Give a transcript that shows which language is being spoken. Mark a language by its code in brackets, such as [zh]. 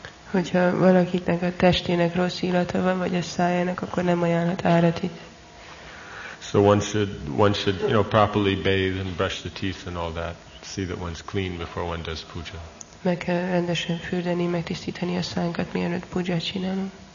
[hu] Hogyha valakinek a testének rossz illata van, vagy a szájának, akkor nem ajánlhat áratit. [en] So one should you know properly bathe and brush the teeth and all that, see that one's clean before one does puja. [hu] Meg kell rendesen fürdeni, megtisztítani a szánkat, mielőtt puja csinálunk.